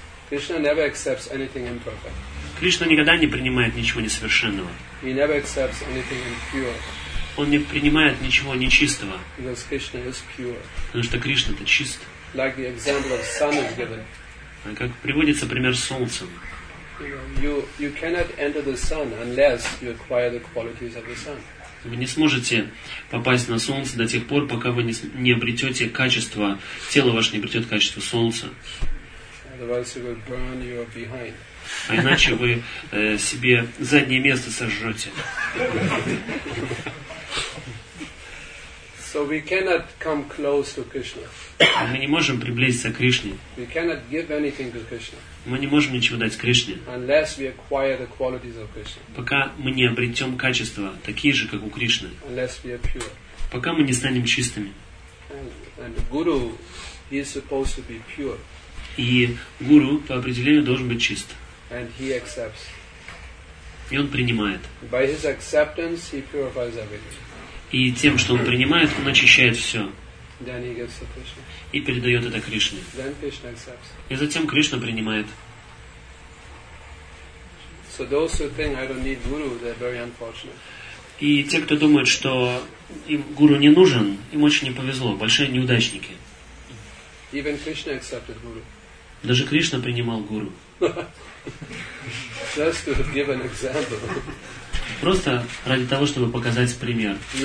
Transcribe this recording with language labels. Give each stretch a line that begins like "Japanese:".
English: Krishna never accepts anything imperfect.
Russian: Кришна никогда не принимает ничего несовершенного.
English: He never accepts anything impure.
Russian: Он не принимает ничего нечистого.
English: Because Krishna is pure.
Russian: Потому что Кришна-то чист.
English: Like the example of sun is given.
Russian: Как приводится пример с солнцем.
English: You cannot enter the sun unless you acquire the qualities of the sun.
Russian: Вы не сможете попасть на солнце до тех пор, пока вы не обретете качество, тело ваше не обретет качество солнца.
English: Otherwise you will burn your behind.
Russian: А иначе вы себе заднее место сожжете.
English: So we cannot come close to Krishna.
Russian: Мы не можем приблизиться к Кришне.
English: We cannot give anything to Krishna.
Russian: Мы не можем ничего дать Кришне.
English: Unless we acquire the qualities of Krishna.
Russian: Пока мы не обретем качества, такие же, как у Кришны.
English: Unless we are pure.
Russian: Пока мы не станем чистыми.
English: And Guru, he is supposed to be pure.
Russian: И Гуру, по определению, должен быть чист.
English: And he accepts.
Russian: И он принимает.
English: By his acceptance, he purifies everything.
Russian: И тем, что он принимает, он очищает все.
English: Then he gives to
Russian: и передает это Кришне.
English: Then Krishna accepts.
Russian: И затем Кришна принимает.
English: So those who think I don't need guru, they're very unfortunate.
Russian: И те, кто думает, что им гуру не нужен, им очень не повезло, большие неудачники.
English: Even Krishna accepted guru.
Russian: Даже Кришна принимал гуру.
English: Just to give an example.
Russian: Просто ради того, чтобы показать пример.